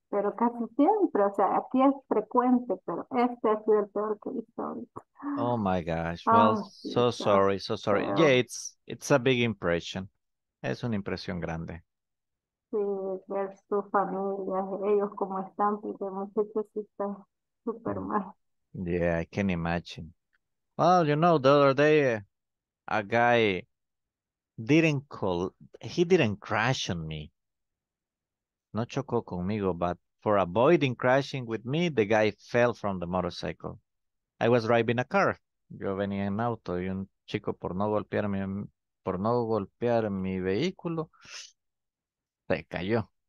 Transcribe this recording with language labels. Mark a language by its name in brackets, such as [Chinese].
[Spanish] pero casi siempre, o sea, aquí es frecuente, pero este ha sido el peor que he visto ahorita. [English] Oh my gosh, well, oh, so sí, sorry, so sorry. Pero... Yeah, it's a big impression. [Spanish] Es una impresión grande. Sí, ver su familia, ellos cómo están, porque muchachos están súper mal. [English] Yeah, I can imagine. Well, you know, the other day, a guy didn't call, he didn't crash on me. [Spanish] No chocó conmigo, [English] but for avoiding crashing with me, the guy fell from the motorcycle. I was driving a car. [Spanish] Yo venía en auto y un chico por no golpear mi vehículo, se cayó.